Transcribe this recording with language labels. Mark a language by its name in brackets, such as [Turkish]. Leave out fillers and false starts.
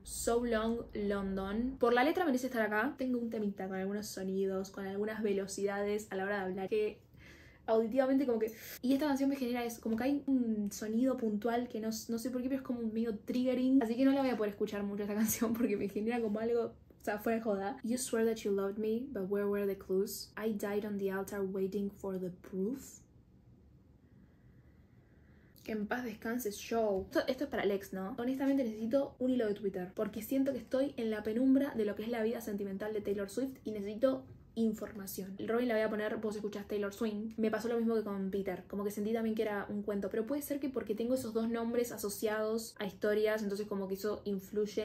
[Spanish] So Long London. Por la letra merece estar acá. Tengo un temita con algunos sonidos, con algunas velocidades a la hora de hablar que... auditivamente como que... Y esta canción me genera eso. Como que hay un sonido puntual que no sé por qué, pero es como medio triggering. Así que no la voy a poder escuchar mucho esta canción porque me genera como algo... O sea, fuera de joda. [English] You swear that you loved me, but where were the clues? I died on the altar waiting for the proof. [Spanish] Que en paz descanses, show. Esto es para Lex, ¿no? Honestamente necesito un hilo de Twitter. Porque siento que estoy en la penumbra de lo que es la vida sentimental de Taylor Swift. Y necesito... información. Robin la voy a poner, vos escuchás Taylor Swift. Me pasó lo mismo que con Peter. Como que sentí también que era un cuento. Pero puede ser que porque tengo esos dos nombres asociados a historias, entonces como que eso influye.